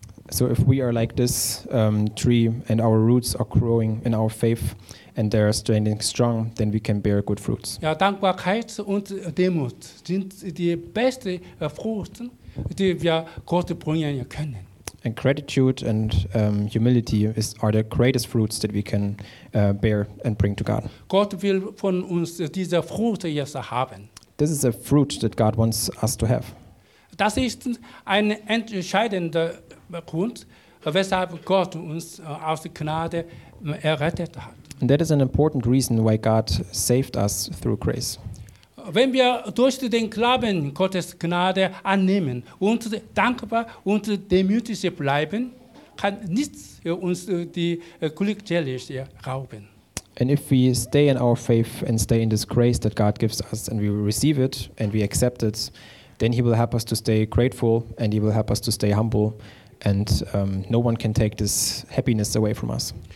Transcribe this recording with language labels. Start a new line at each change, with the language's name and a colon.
English: So if we are like this tree and our roots are growing in our faith and they are standing strong, then we can bear good fruits.
German: Ja, Dankbarkeit und Demut sind die beste Früchte, die wir Gott bringen können.
English: And gratitude and humility are the greatest fruits that we can bear and bring to God.
German: Gott will von uns diese Früchte jetzt haben.
English: This is a fruit that God wants us to have.
German: Das ist ein entscheidender Grund, weshalb Gott uns aus der Gnade errettet hat.
English: And that is an important reason why God saved us through grace.
German: Wenn wir durch den Glauben Gottes Gnade annehmen und dankbar und demütig bleiben, kann nichts uns die Glückseligkeit rauben.
English: And if we stay in our faith and stay in this grace that God gives us and we receive it and we accept it, then he will help us to stay grateful and he will help us to stay humble and no one can take this happiness away from us.